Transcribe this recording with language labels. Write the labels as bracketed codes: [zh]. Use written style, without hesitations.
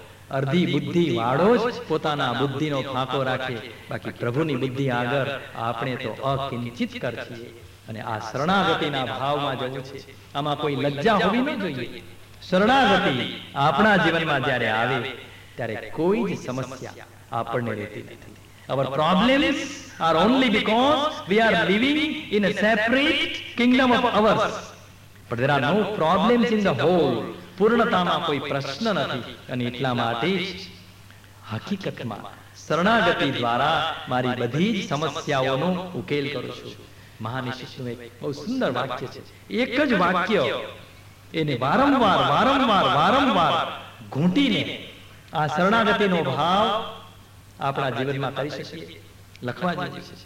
[gu] અર્ધી બુદ્ધિ વાળો જ પોતાના બુદ્ધિ નો ફાંકો રાખે, બાકી પ્રભુની બુદ્ધિ આગળ આપણે તો અકિંચિત કરીએ. અને આ શરણાગતિના ભાવમાં જવું છે, આમાં કોઈ લજ્જા હોવી ન જોઈએ. શરણાગતિ આપણા જીવનમાં જયારે આવે ત્યારે કોઈ જ સમસ્યા આપણને રહેતી નથી. [en] Our problems are only because we are living in a separate kingdom of ours. But there are no problems in the whole. [gu] પૂર્ણતામાં કોઈ પ્રશ્ન નથી. અને એટલા માટે હકીકતમાં શરણાગતિ દ્વારા મારી બધી જ સમસ્યાઓનો ઉકેલ કરું છું. મહાનિષ્ઠનું એક બહુ સુંદર વાક્ય છે, એક જ વાક્ય એને વારંવાર વારંવાર વારંવાર ઘૂંટીને આ શરણાગતિનો ભાવ આપણા જીવનમાં કરી શકીએ, લખવા જોઈએ.